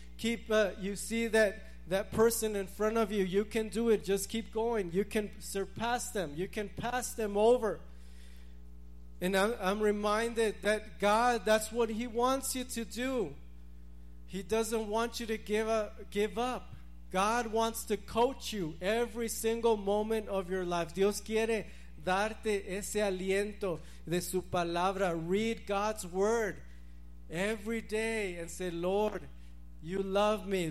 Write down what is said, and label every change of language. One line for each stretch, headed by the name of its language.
English: You see that person in front of you, you can do it, just keep going, you can surpass them, you can pass them over." And I'm reminded that God, that's what He wants you to do. He doesn't want you to give up. God wants to coach you every single moment of your life.
Spanish: Dios quiere darte ese aliento de su palabra.
English: Read God's word every day and say, "Lord, You love me.